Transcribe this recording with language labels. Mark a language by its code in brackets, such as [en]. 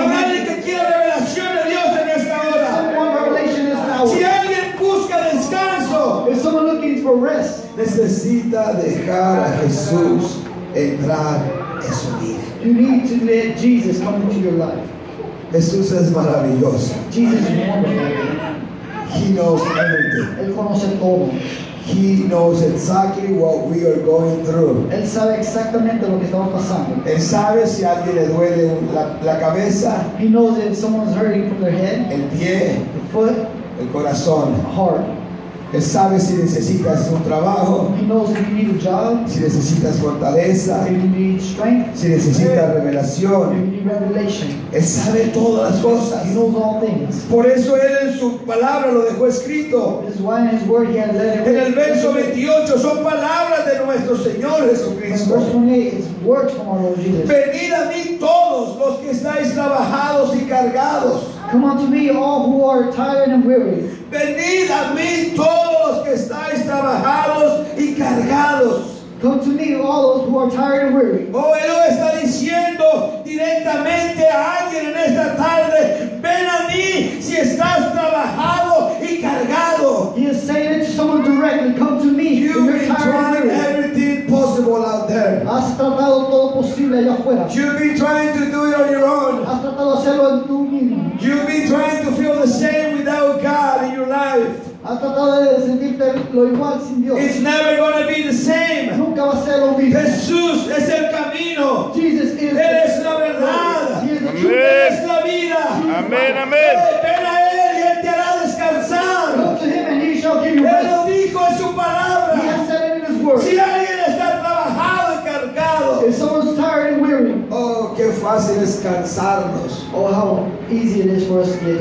[es] Habrá alguien que quiera revelación de Dios en esta hora. [en] Someone revelation in this hour. [es] Si alguien busca descanso, [en] if someone looking for rest, [es] necesita dejar a Jesús entrar en su vida. [en] You need to let Jesus come into your life. [es] Jesús es maravilloso. [en] Jesus is wonderful. He knows everything. [es] Él conoce todo. [en] He knows exactly what we are going through. [es] Él sabe exactamente lo que estamos pasando. Él sabe si a alguien le duele la cabeza. [en] He knows if someone's hurting from their head. [es] El pie. [en] The foot. [es] El corazón. [en] Heart. [es] Él sabe si necesitas un trabajo. [en] He knows if you need a job. [es] Si necesitas fortaleza. [en] If you need strength. [es] Si necesitas revelación. [en] If you need revelation. [es] Él sabe todas las cosas. [en] He knows all things. [es] Por eso Él en su palabra lo dejó escrito. [en] This is why in His word He had let it. [es] En el verso 28 son palabras de nuestro Señor Jesucristo. [en] In verse 28 it's words from our Lord Jesus. [es] Venid a mí todos los que estáis trabajados y cargados. [en] Come unto me, all who are tired and weary. [es] Venid a mí todos los que estáis trabajados y cargados. [en] Come to me, all those who are tired and weary. [es] Oh, Él está diciendo directamente a alguien en esta tarde. Ven a mí si estás trabajado y cargado. [en] He is saying it to someone directly. Come to me. You've been trying everything possible out there. [es] Has tratado todo posible allá afuera. [en] You've been trying to do it on your own. [es] Has tratado hacerlo en tu mismo. [en] You've been trying to feel the same without God in your life. [es] Has tratado de sentirte lo igual sin Dios. [en] It's never going to be the same. [es] Nunca va a ser lo mismo. Jesús es el camino. [en] Jesus is [es] Él es la verdad. [en] Amen. [es] Él es la vida. Amén, amén. Ven a Él y Él te hará descansar. [en] Go to Him and He shall give you rest. [es] Él lo dijo en su palabra. [en] He has said it in His word. [es] Si alguien está trabajado y cargado. [en] If someone's tired and weary. [es] Oh, qué fácil es cansarnos. [en] Oh, how easy it is for us to get